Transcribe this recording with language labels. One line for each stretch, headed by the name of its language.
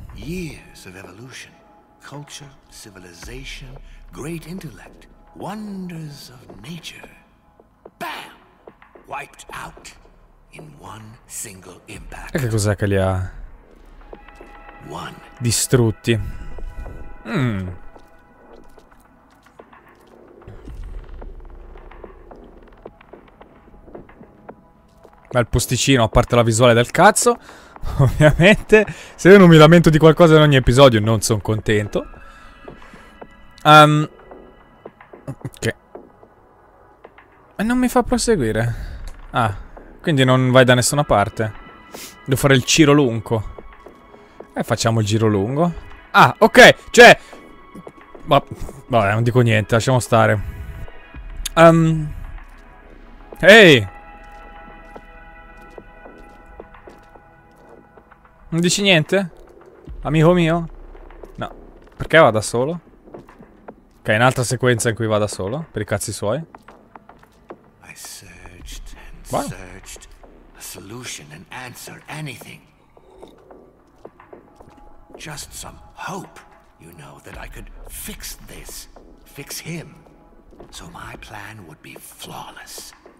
English: Years of evolution, culture, civilization, great intellect, wonders of nature. Bam! Wiped out in one single impact.
Italian: E che cos'è che li ha distrutti? Bel posticino, a parte la visuale del cazzo. Ovviamente, se io non mi lamento di qualcosa in ogni episodio, non sono contento. Ok. E non mi fa proseguire. Ah, quindi non vai da nessuna parte. Devo fare il giro lungo. E facciamo il giro lungo. Ah, ok, cioè... Vabbè, non dico niente, lasciamo stare. Ehi! Non dici niente? Amico mio? No. Perché va da solo? Ok, è un'altra sequenza in cui va da solo. Per i cazzi suoi.
English: I searched and searched. A solution and answer anything. Just some hope, you know, that I could fix this. Fix him. So my plan would be flawless.